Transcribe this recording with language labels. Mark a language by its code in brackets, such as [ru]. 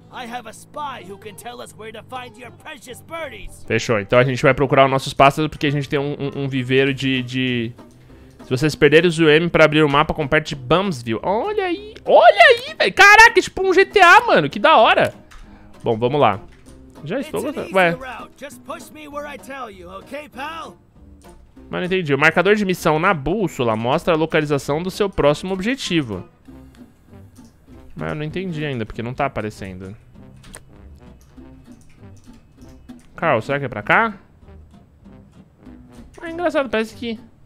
[en] I have a spy who can tell us where to find your precious birdies. [pt] Fechou. Então a gente vai procurar os nossos pássaros porque a gente tem um viveiro de se vocês perderem o ZM para abrir o mapa com perto de Bumsville. Olha aí. Olha aí, velho. Caraca, é tipo um GTA, mano. Que da hora. Bom, vamos lá. Já estou gostando. Ué. [en] Just push me where I tell you, okay, pal? [pt] Mas não entendi. O marcador de missão na bússola mostra a localização do seu próximo objetivo. Mas eu não entendi ainda, porque não tá aparecendo. Carl, será que é pra cá? Ah, é engraçado, parece que...